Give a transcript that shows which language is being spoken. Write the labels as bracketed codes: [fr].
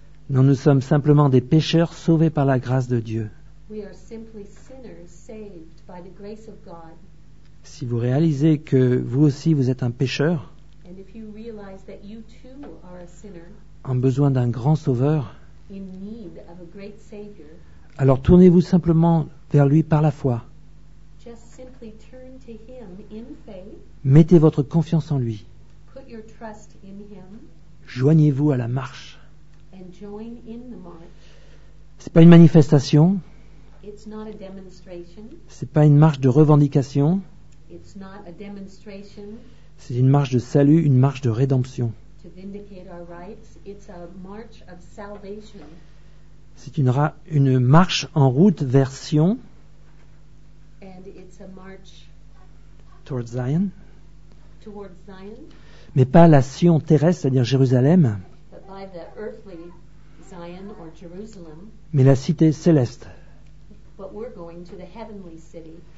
[fr] Non, nous sommes simplement des pécheurs sauvés par la grâce de Dieu. [en] We are simply sinners saved by the grace of God. [fr] Si vous réalisez que vous aussi vous êtes un pécheur, [en] and if you realize that you too are a sinner, [fr] en besoin d'un grand sauveur, [en] in need of a great savior, [fr] alors tournez-vous simplement vers lui par la foi. [en] Just simply turn to him in faith. [fr] Mettez votre confiance en lui. [en] Put your trust in him. [fr] Joignez-vous à la marche. [en] And join in the march. [fr] C'est pas une manifestation. [en] It's not a demonstration. [fr] C'est pas une marche de revendication. [en] It's not a demonstration. [fr] C'est une marche de salut, une marche de rédemption. [en] To vindicate our rights, it's a march of salvation. [fr] C'est une marche en route vers Sion. [en] And it's a march towards Zion. Towards Zion. [fr] Mais pas la Sion terrestre, c'est-à-dire Jérusalem. [en] But by the earthly Zion or Jerusalem. [fr] Mais la cité céleste. [en] But we're going to the heavenly city,